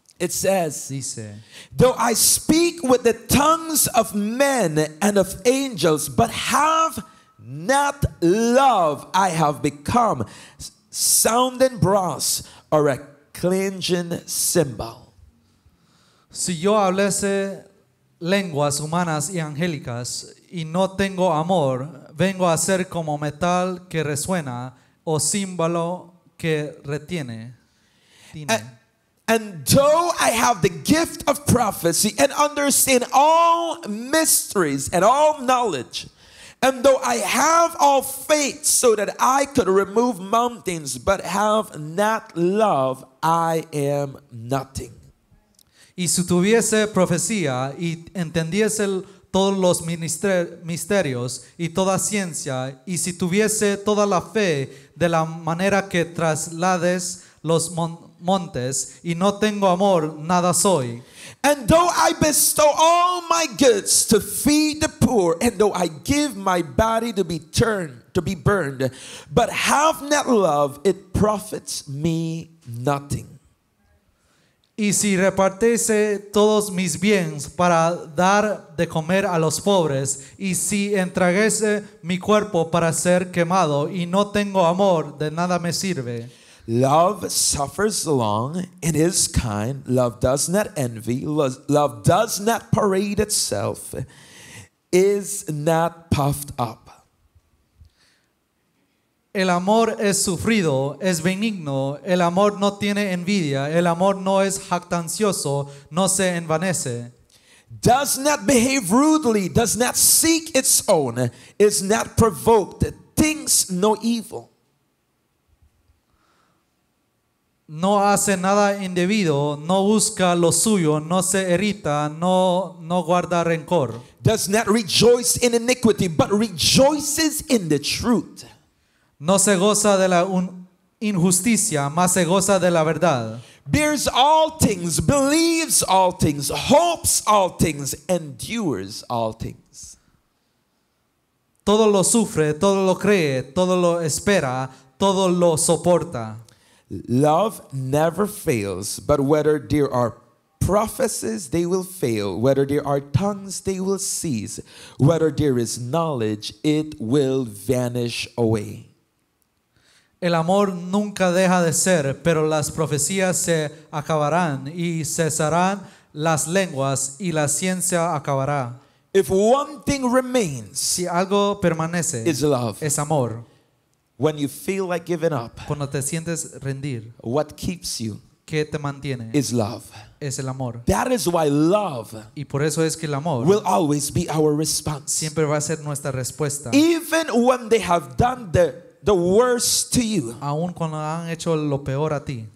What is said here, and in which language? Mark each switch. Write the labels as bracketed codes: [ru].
[en] It says, [es] dice, [en] though I speak with the tongues of men and of angels, but have not love, I have become sounding brass or a clanging cymbal. [es] Si yo hablase lenguas humanas y angélicas y no tengo amor, vengo a ser como metal que resuena o címbalo que retiene. [en] And though I have the gift of prophecy and understand all mysteries and all knowledge, and though I have all faith so that I could remove mountains, but have not love, I am nothing. [es] Y si tuviese profecía y entendiese todos los misterios y toda ciencia, y si tuviese toda la fe de la manera que traslades los montes, y no tengo amor, nada soy. [en] And though I bestow all my goods to feed the poor, and though I give my body to be turned, to be burned, but have not love, it profits me nothing. [es] Y si repartiese todos mis bienes para dar de comer a los pobres, y si entregase mi cuerpo para ser quemado, y no tengo amor, de nada me sirve. [en] Love suffers long and is kind. Love does not envy. Love does not parade itself. Is not puffed up. [es] El amor es sufrido, es benigno, el amor no tiene envidia, el amor no es jactancioso, no se envanece. [en] Does not behave rudely, does not seek its own, is not provoked, thinks no evil. [es] No hace nada indebido, no busca lo suyo, no se irrita, no guarda rencor. [en] Does not rejoice in iniquity, but rejoices in the truth. [es] No se goza de la injusticia, mas se goza de la verdad. [en] Bears all things, believes all things, hopes all things, endures all things. [es] Todo lo sufre, todo lo cree, todo lo espera, todo lo soporta. [en] Love never fails, but whether there are prophecies, they will fail. Whether there are tongues, they will cease. Whether there is knowledge, it will vanish away. [es] El amor nunca deja de ser, pero las profecías se acabarán y cesarán las lenguas y la ciencia acabará. [en] If one thing remains, [es] si algo permanece, [en] is love. [es] Es amor. [en] When you feel like giving up, [es] cuando te sientes rendir, [en] what keeps you, [es] que te mantiene, [en] is love. [es] Es el amor. [en] That is why love, [es] y por eso es que el amor, [en] will always be our response. [es] Siempre va a ser nuestra respuesta. [en] Even when they have done the worst to you, [es] aun cuando han hecho lo peor a ti,